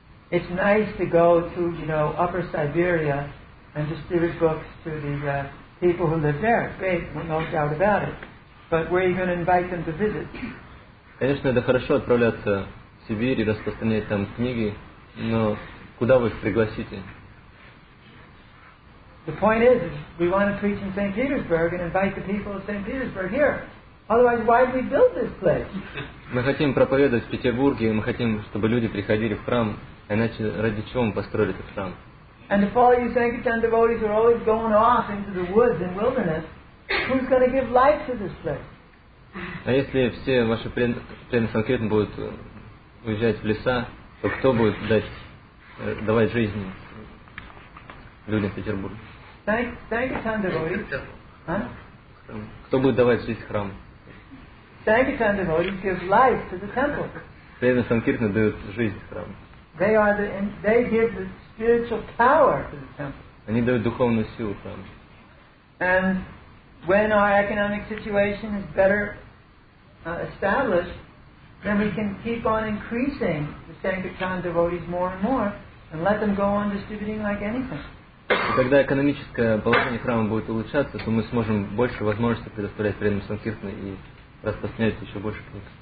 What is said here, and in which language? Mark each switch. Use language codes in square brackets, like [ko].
[en] It's nice to go to, you know, Upper Siberia and distribute books to the people who live there. Great, no doubt about it. But where are you going to invite them to visit? [ru] Конечно, это хорошо отправляться в Сибирь и распространять там книги, но куда вы их пригласите? [en] The point is, we want to preach in St. Petersburg and invite the people of St. Petersburg here. Otherwise, why did we build this place? [ru] Мы хотим проповедовать в Петербурге, мы хотим, чтобы люди приходили в храм, иначе ради чего мы построили этот храм? [en] And if all you Sankirtan devotees are always going off into the woods and wilderness, who's going to give life to this place? [ru] А если все ваши преданные Санкиртан будут уезжать в леса, то кто будет давать жизнь? Люди в Петербурге. [en] Sankirtan devotees. [ru] Кто будет давать жизнь храму? [en] Sankirtan devotees give life to the temple. [ru] Преданные Санкиртаны дают жизнь храму. [en] They give the spiritual power to the temple. [ru] Они дают духовную силу храму. [en] And when our economic situation is better established, then we can keep on increasing the Sankirtan devotees more and more and let them go on distributing like anything. [ru] И когда экономическое положение храма будет улучшаться, то мы сможем больше возможностей предоставлять преданным санкиртанам и распространять еще больше книг.